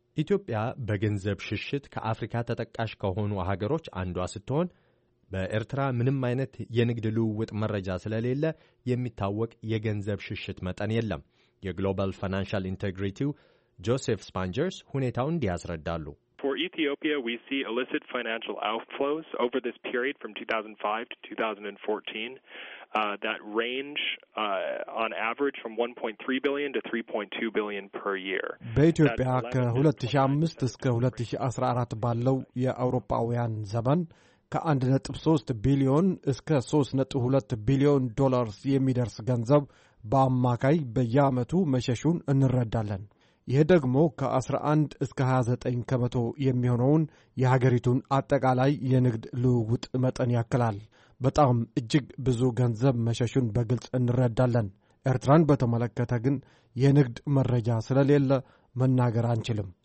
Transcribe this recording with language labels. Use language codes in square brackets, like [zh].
[am] ኢትዮጵያ በገንዘብ ሽሽት ከአፍሪካ ተጠቃሽ ከሆኑ ሀገሮች አንዷ ስትሆን በኤርትራ ምንም አይነት የንግድ ልውውጥ መረጃ ስለሌለ የሚታወቅ የገንዘብ ሽሽት መጠን የለም። የግሎባል ፋይናንሻል ኢንቴግሪቲው ጆሴፍ ስፓንጀርስ ሁኔታውን እንዲያስረዳሉ። [en] For Ethiopia, we see illicit financial outflows over this period from 2005 to 2014 that range on average from 1.3 billion to 3.2 billion per year. [am] በኢትዮጵያ ከ2005 እስከ 2014 ባለው የአውሮፓውያን ዘመን ከ1.3 ቢሊዮን እስከ 3.2 ቢሊዮን ዶላርስ የሚደርስ ገንዘብ በአማካይ በየአመቱ መሸሹን እንረዳለን። ይሄ ደግሞ ከ11 እስከ 29 ከመቶ የሚሆነውን የሀገሪቱን አጠቃላይ የንግድ ልውውጥ መጠን ያከላል። በጣም እጅግ ብዙ ገንዘብ መሸሹን በግልጽ እንረዳለን። ኤርትራን በተመለከተ ግን የንግድ መረጃ ስለሌለ መናገር አንችልም።